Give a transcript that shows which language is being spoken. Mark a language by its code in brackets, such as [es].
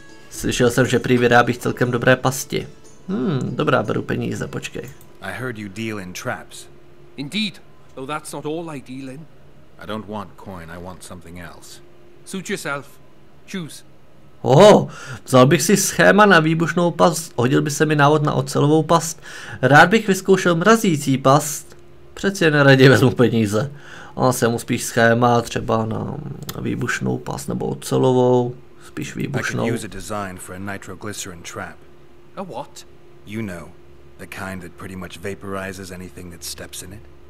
[cs] Slyšel jsem, že prý vyrábí celkem dobré pasti. Dobrá, beru peníze, počkej. [en] I heard you deal in traps. Indeed. Though that's not all I deal in. I don't want coin, I want something else. Suit yourself. Choose. [cs] Oho, vzal bych si schéma na výbušnou past, hodil by se mi návod na ocelovou past. Rád bych vyzkoušel mrazící past. Přeci jen raději vezmu peníze. Ale se mu spíš schéma třeba na výbušnou past nebo ocelovou. Spíš výbušnou. [en] I could use a design for a nitroglycerin trap. A what? You know, the kind that pretty much vaporizes anything that steps in it.